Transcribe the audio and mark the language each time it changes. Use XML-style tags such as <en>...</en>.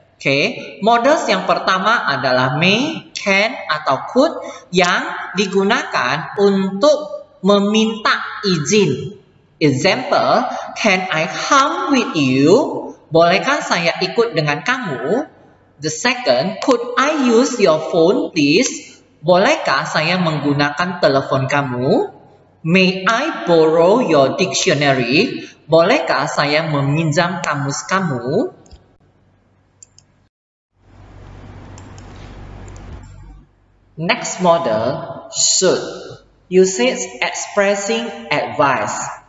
<id>Okay, models yang pertama adalah may, can, atau could yang digunakan untuk meminta izin.</id> <en>Example, can I come with you?</en> <id>Bolehkah saya ikut dengan kamu?</id> <en>The second, could I use your phone please?</en> <id>Bolehkah saya menggunakan telepon kamu?</id> <en>May I borrow your dictionary?</en> <id>Bolehkah saya meminjam kamus kamu?</id> <en>Next model, should. Uses expressing advice.</en>